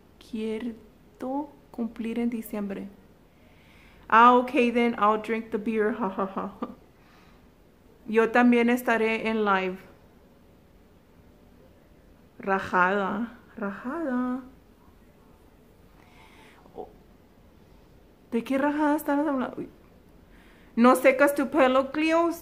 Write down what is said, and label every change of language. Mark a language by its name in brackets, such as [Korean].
[Spanish] Quiero cumplir en diciembre. [English] Ah, ok, then I'll drink the beer. Ja, ja, ja. [Spanish] Yo también estaré en live. Rajada. Rajada. ¿De qué rajada estás hablando? ¿No secas tu pelo, Cleos?